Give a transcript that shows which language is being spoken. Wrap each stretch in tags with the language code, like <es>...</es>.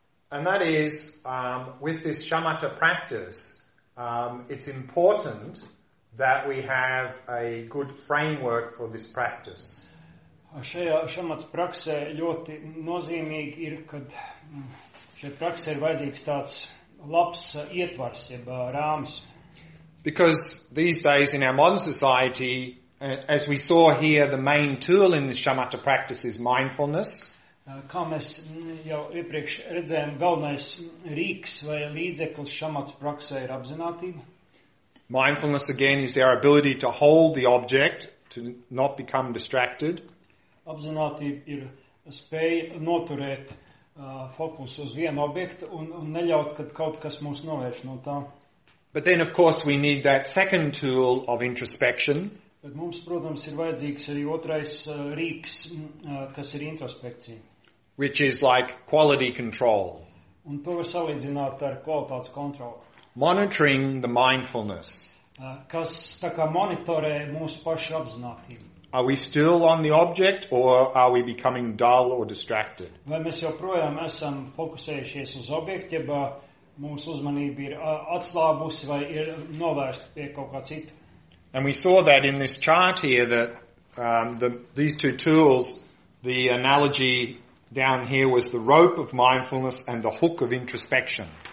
<en>And that is, with this shamatha practice, it's important that we have a good framework for this practice.</en> <lv>Šajā šamatas praksē ļoti nozīmīgi ir, kad šajā praksē ir vajadzīgs tāds labs ietvars, jeb rāms.</lv> <en>Because these days in our modern society, as we saw here, the main tool in this shamatha practice is mindfulness.</en> <lv>Kā mēs jau iepriekš redzējām, galvenais rīks vai līdzeklis šamatas praksē ir apzinātība.</lv> <en>Mindfulness again is our ability to hold the object, to not become distracted.</en> <lv>Apzināti ir spēja noturēt fokus uz vienu objektu un neļaut, kad kaut kas mūs novērš no tā.</lv> <en>But then of course we need that second tool of introspection.</en> <lv>Bet mums, protams, ir vajadzīgs arī otrais rīks, kas ir introspekcija.</lv> <en>Which is like quality control.</en> <lv>Un to var salīdzināt ar kvalitātes kontroli.</lv> <en>Monitoring the mindfulness.</en> <lv>Kas tā kā monitorē mūsu pašu apzinātību.</lv> <en>Are we still on the object or are we becoming dull or distracted?</en> <lv>Vai mēs joprojām esam fokusējušies uz objektu, jeb mūsu uzmanība ir atslābusi vai ir novērsta pie kaut kā cita?</lv> <en>And we saw that in this chart here that these two tools, the analogy down here was the rope of mindfulness and the hook of introspection.</en>